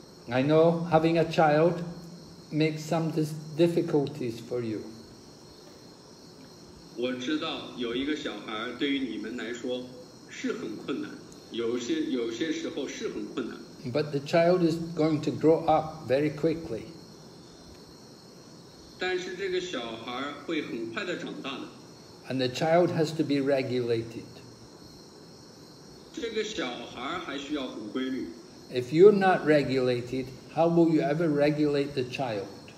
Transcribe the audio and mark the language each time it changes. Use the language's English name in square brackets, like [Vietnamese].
[English] I know having a child makes some difficulties for you. [Chinese] 我知道有一个小孩对于你们来说是很困难。 [English] But the child is going to grow up very quickly. And the child has to be regulated. If you're not regulated, how will you ever regulate the child?